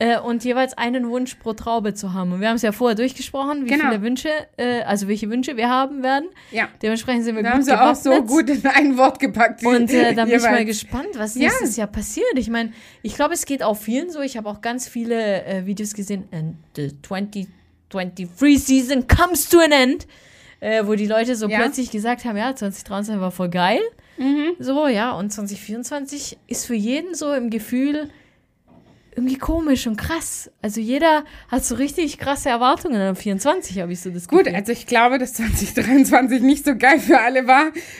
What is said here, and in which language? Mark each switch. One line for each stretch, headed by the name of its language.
German: Und jeweils einen Wunsch pro Traube zu haben. Und wir haben es ja vorher durchgesprochen, wie genau, viele Wünsche, also welche Wünsche wir haben werden. Ja. Dementsprechend sind wir gut gewappnet. Wir haben sie auch so gut in ein Wort gepackt. Und da bin ich mal gespannt, was nächstes Jahr passiert. Ich meine, ich glaube, es geht auch vielen so. Ich habe auch ganz viele Videos gesehen.
English: And the 2023 season comes to an end.
German: Wo die Leute so plötzlich gesagt haben, ja, 2023 war voll geil. Mhm. So, ja, und 2024 ist für jeden so im Gefühl irgendwie komisch und krass. Also jeder hat so richtig krasse Erwartungen an 2024, habe ich so das Gefühl. Gut, also ich glaube, dass 2023 nicht so geil für alle war.